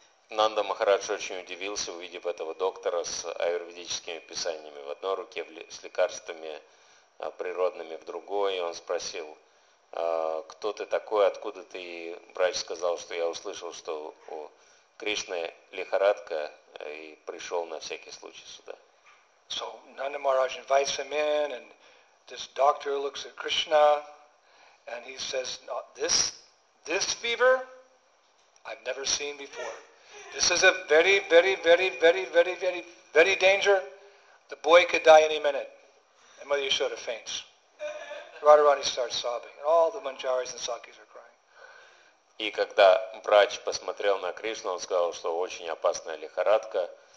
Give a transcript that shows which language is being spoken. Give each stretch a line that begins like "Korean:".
Russian: Нанда Махарадж очень удивился, увидев этого доктора с аюрведическими писаниями в одной руке, с лекарствами природными в другой, и он спросил, кто ты такой, откуда ты, и врач сказал, что я услышал, что у Кришны лихорадка, и пришел на всякий случай сюда.
English: So, Nanda Maharaj invites him in, and this doctor looks at Krishna, and he says, this fever, I've never seen before. This is a very, very, very, very, very, very, very danger. The boy could die any minute. And Mother Yashoda faints. Radharani starts sobbing. And all the manjaris and sakis are crying.
Russian: И когда врач посмотрел на Кришну, он сказал, что очень опасная лихорадка.